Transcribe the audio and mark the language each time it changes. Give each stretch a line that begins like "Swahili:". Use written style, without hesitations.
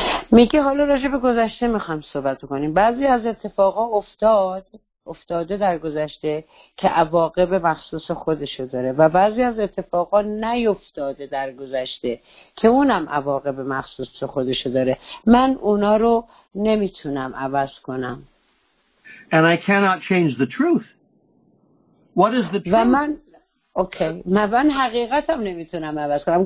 Persian: میگه حالا راجع به گذشته میخوایم صحبت کنیم بعضی از اتفاقا افتاده در گذشته که عواقب مخصوص خودشو داره و بعضی از اتفاقا نیفتاده در گذشته که اونم عواقب مخصوص خودشو داره من اونا رو نمیتونم عوض کنم
English: And I cannot change the truth What is the truth?
Persian: و من Okay. من حقیقتم نمیتونم عوض کنم.